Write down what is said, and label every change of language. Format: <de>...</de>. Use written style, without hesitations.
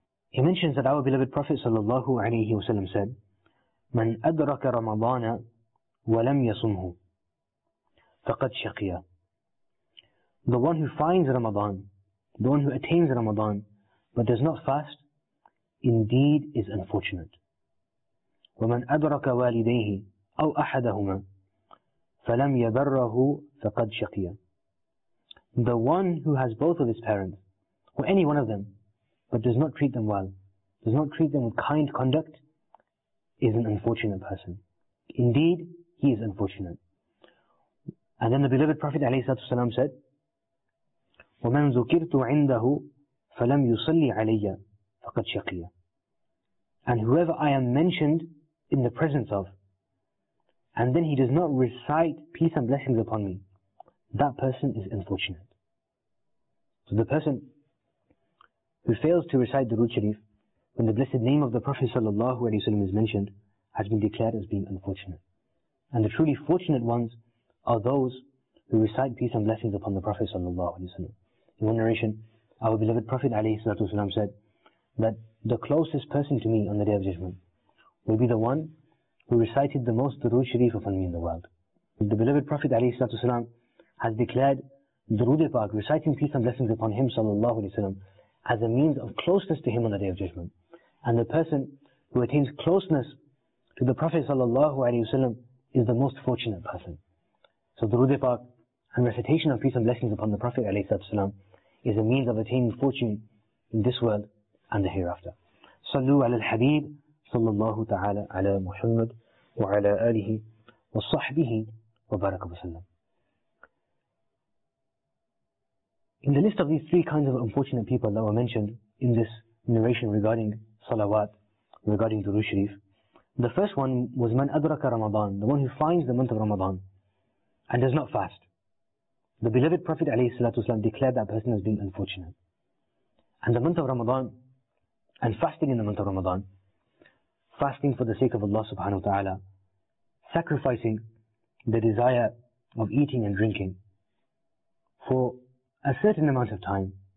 <en>He mentions that our beloved Prophet sallallahu alayhi wa sallam said,</en> <ar>من أدرك رمضان ولم يصمه فقد شقي.</ar> <en>The one who finds Ramadan, the one who attains Ramadan, but does not fast, indeed is unfortunate.</en> <ar>ومن أدرك والديه أو أحدهما فَلَمْ يَبَرَّهُ فَقَدْ شَقِيَ.</ar> <en>The one who has both of his parents, or any one of them, but does not treat them well, does not treat them with kind conduct, is an unfortunate person. Indeed, he is unfortunate. And then the beloved Prophet ﷺ said,</en> <ar>وَمَنْ ذُكِرْتُ عِنْدَهُ فَلَمْ يُصَلِّ عَلَيَّ فَقَدْ شَقِيَ.</ar> <en>And whoever I am mentioned in the presence of, and then he does not recite peace and blessings upon me, that person is unfortunate. So the person who fails to recite Durood Sharif when the blessed name of the Prophet sallallahu alaihi wasallam is mentioned has been declared as being unfortunate. And the truly fortunate ones are those who recite peace and blessings upon the Prophet sallallahu alaihi wasallam. In one narration, our beloved Prophet alaihi wasallam said that the closest person to me on the Day of Judgment will be the one who recited the most Durood Sharif upon me in the world. The beloved Prophet ﷺ has declared Durood Pak, reciting peace and blessings upon him وسلم, as a means of closeness to him on the Day of Judgment. And the person who attains closeness to the Prophet ﷺ is the most fortunate person. So Durood Pak and recitation of peace and blessings upon the Prophet ﷺ is a means of attaining fortune in this world and the hereafter.</en> <ar>Sallu ala al-Habib صلى الله تعالى على محمد وعلى آله وصحبه وبارك وسلم.</ar> <en>In the list of these three kinds of unfortunate people that were mentioned in this narration regarding salawat, regarding Durood Sharif, the first one was</en> <ar>من أدرك رمضان,</ar> <en>the one who finds the month of Ramadan and does not fast. The beloved Prophet عليه الصلاة والسلام declared that person as being unfortunate. And the month of Ramadan and fasting in the month of Ramadan, fasting for the sake of Allah subhanahu wa ta'ala, sacrificing the desire of eating and drinking for a certain amount of time,</en>